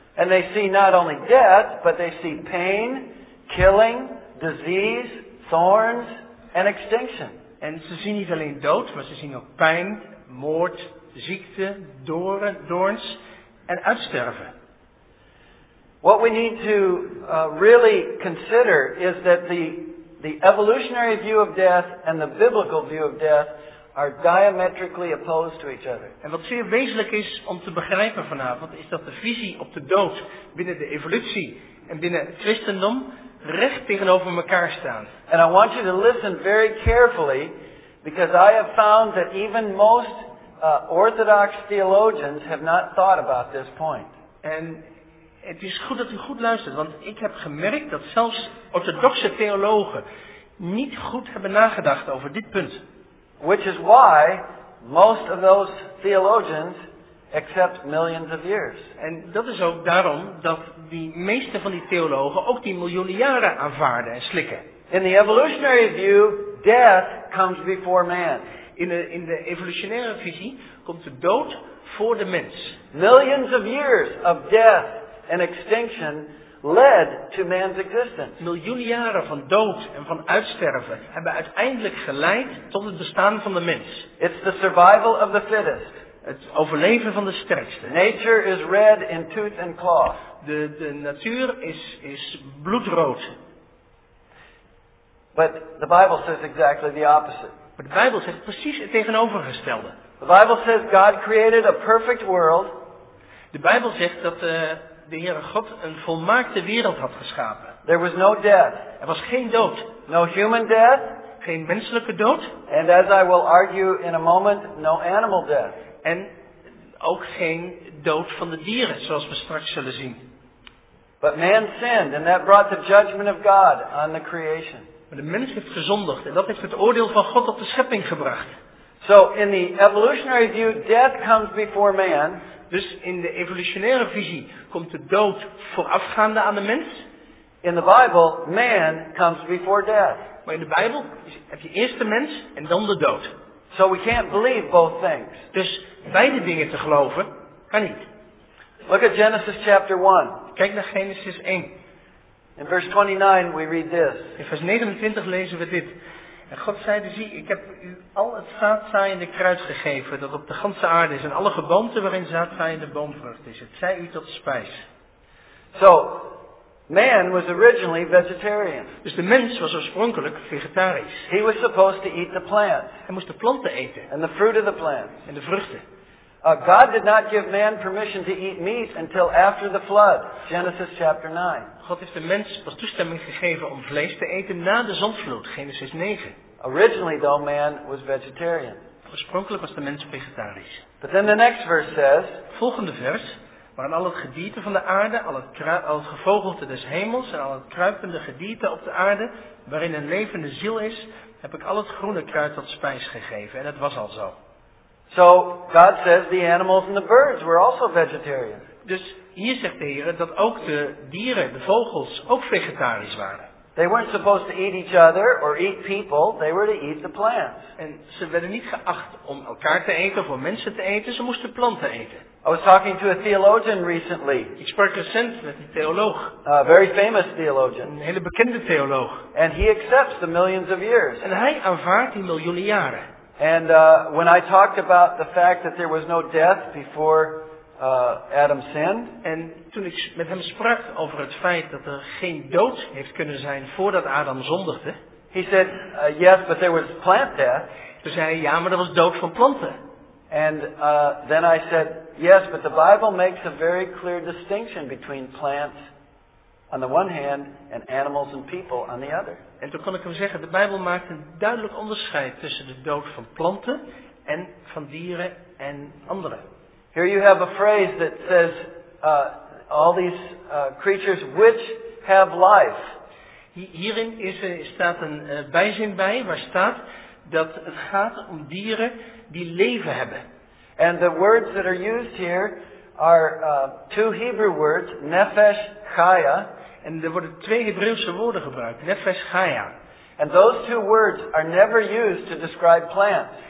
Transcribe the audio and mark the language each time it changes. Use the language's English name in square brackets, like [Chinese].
[English] And they see not only death, but they see pain, killing, disease, thorns, and extinction. [Dutch] En ze zien niet alleen dood, maar ze zien ook pijn, moord, ziekte, doorns en uitsterven. [English] What we need to really consider is that the evolutionary view of death and the biblical view of death are diametrically opposed to each other. [Dutch] En wat zeer wezenlijk is om te begrijpen vanavond, is dat de visie op de dood binnen de evolutie en binnen het christendom recht tegenover elkaar staan. [English] And I want you to listen very carefully, because I have found that even most orthodox theologians have not thought about this point. [Dutch] En het is goed dat u goed luistert, want ik heb gemerkt dat zelfs orthodoxe theologen niet goed hebben nagedacht over dit punt. [English] Which is why most of those theologians accept millions of years. [Dutch] En dat is ook daarom dat die meeste van die theologen ook die miljoenen jaren aanvaarden en slikken. [English] In the evolutionary view, death comes before man. [Dutch] In de evolutionaire visie komt de dood voor de mens. [English] Millions of years of death and extinction led to man's existence. [Dutch] Miljoenen jaren van dood en van uitsterven hebben uiteindelijk geleid tot het bestaan van de mens. [English] It's the survival of the fittest. [Dutch] Het overleven van de sterkste. [English] Nature is red in tooth and claw. [Dutch] De natuur is bloedrood. [English] But the Bible says exactly the opposite. [Dutch] Maar de Bijbel zegt precies het tegenovergestelde. [English] The Bible says God created a perfect world. [Dutch] De Bijbel zegt dat de Heere God een volmaakte wereld had geschapen. [English] There was no death. [Dutch] Er was geen dood. [English] No human death. [Dutch] Geen menselijke dood. [English] And as I will argue in a moment, no animal death. [Dutch] En ook geen dood van de dieren, zoals we straks zullen zien. [English] But man sinned, and that brought the judgment of God on the creation. [Dutch] Maar de mens heeft gezondigd, en dat heeft het oordeel van God op de schepping gebracht. [English] So in the evolutionary view, death comes before man. [Dutch] Dus in de evolutionaire visie komt de dood voorafgaande aan de mens. [English] In the Bible, man comes before death. [Dutch] Maar in de Bijbel heb je eerst de mens en dan de dood. [English] So we can't believe both things. [Dutch] Dus beide dingen te geloven kan niet. [English] Look at Genesis chapter 1. [Dutch] Kijk naar Genesis 1. [English] In verse 29 we read this. [Dutch] In vers 29 lezen we dit. En God zeide, zie, ik heb u al het zaadzaaiende kruid gegeven dat op de ganse aarde is en alle geboomte waarin zaadzaaiende boomvrucht is. Het zij u tot spijs. [English] So, man was originally vegetarian. [Dutch] Dus de mens was oorspronkelijk vegetarisch. [English] He was supposed to eat the plants. [Dutch] Hij moest de planten eten. [English] And the fruit of the plants. [Dutch] En de vruchten. [English] God did not give man permission to eat meat until after the flood. Genesis chapter 9. [Dutch] God heeft de mens pas toestemming gegeven om vlees te eten na de zondvloed. Genesis 9. [English] Originally though, man was vegetarian. [Dutch] Oorspronkelijk was de mens vegetarisch. [English] But then the next verse says. [Dutch] Volgende vers. Maar aan al het gedierte van de aarde, al het gevogelte des hemels en al het kruipende gedierte op de aarde, waarin een levende ziel is, heb ik al het groene kruid tot spijs gegeven. En het was al zo. [English] So God says the animals and the birds were also vegetarian. [Dutch] Dus hier zegt de Heer dat ook de dieren, de vogels, ook vegetarisch waren. [English] They weren't supposed to eat each other or eat people. They were to eat the plants. [Dutch] En ze werden niet geacht om elkaar te eten of om mensen te eten. Ze moesten planten eten. [English] I was talking to a theologian recently. [Dutch] Ik sprak recent met een theoloog. [English] A very famous theologian. [Dutch] Een hele bekende theoloog. [English] And he accepts the millions of years. [Dutch] En hij aanvaardt die miljoenen jaren. [English] And when I talked about the fact that there was no death before Adam sinned. [Dutch] En toen ik met hem sprak over het feit dat er geen dood heeft kunnen zijn voordat Adam zondigde. [English] He said, yes, but there was plant death. [Dutch] Toen zei hij, ja, maar er was dood van planten. [English] And then I said, yes, but the Bible makes a very clear distinction between plants on the one hand and animals and people on the other. [Dutch] En toen kon ik hem zeggen, de Bijbel maakt een duidelijk onderscheid tussen de dood van planten en van dieren en anderen. [English] Here you have a phrase that says all these creatures which have life. [Dutch] Hierin staat een bijzin bij waar staat dat het gaat om dieren die leven hebben. [English] And the words that are used here are two Hebrew words, nefesh chaya. [Dutch] En er worden twee Hebreeuwse woorden gebruikt, nefesh chaya. [English] And those two words are never used to describe plants.